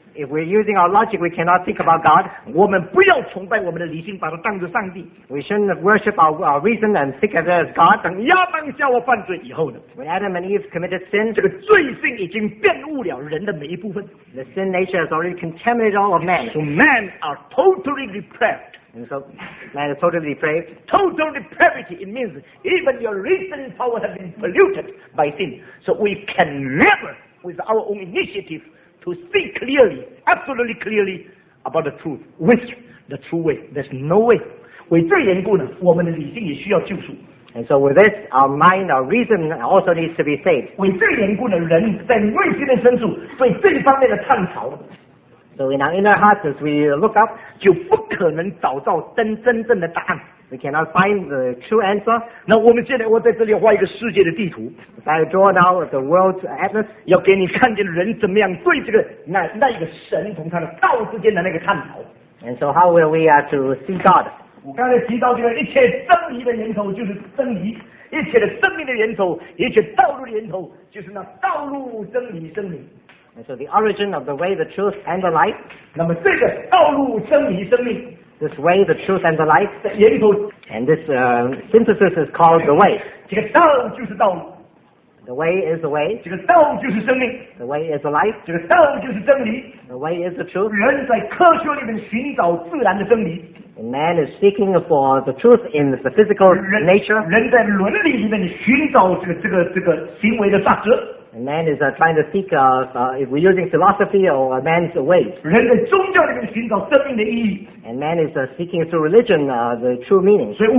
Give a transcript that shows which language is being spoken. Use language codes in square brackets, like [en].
[en] If we're using our logic, we cannot think about God. [zh] 我们不要崇拜我们的理性，把它当作上帝。 [en] We shouldn't worship our reason and think of it as God. [zh] 等亚当夏娃犯罪以后呢？ [en] When Adam and Eve committed sin, [zh] 这个罪性已经玷污了人的每一部分。The [en] sin nature has already contaminated all of man. So men are totally depraved. And so man is totally depraved. Total depravity, it means even your reasoning power has been polluted by sin. So we can never, with our own initiative, to see clearly, absolutely clearly, about the truth. Which? The true way. There's no way. [zh] 为这缘故呢，我们的理性也需要救赎。 [en] And so with this, our mind, our reason also needs to be saved. [zh] 为这缘故呢，人在内心的深处对这方面的探讨。 [en] So in our inner hearts, as we look up, [zh] 就不可能找到真正的答案。 [en] We cannot find the true answer. [zh] 那我们现在我在这里画一个世界的地图。 [en] If I draw now the world's atlas, [zh] 要给你看见人怎么样对这个那一个神从他的道之间的那个探讨。 [en] And so how will we to see God? [zh] 我刚才提到这个一切真理的源头就是真理。一切的生命的源头，一切道路的源头，就是那道路真理真理。 [en] And so the origin of the way, the truth, and the life. [zh] 那么这个道路真理生命, [en] this way, the truth, and the life. [zh] 源头, [en] and this synthesis is called the way. [zh] 这个道就是道路, [en] the way is the way. [zh] 这个道就是生命, [en] the way is the life. [zh] 这个道就是真理, [en] the way is the truth. [zh] 人在科学里面寻找自然的真理, [en] and man is seeking for the truth in the physical [zh] 人, [en] nature. [zh] 人在伦理里面寻找这个行为的法则, [en] And man is trying to seek, if we're using philosophy or man's way. And man is seeking through religion the true meaning.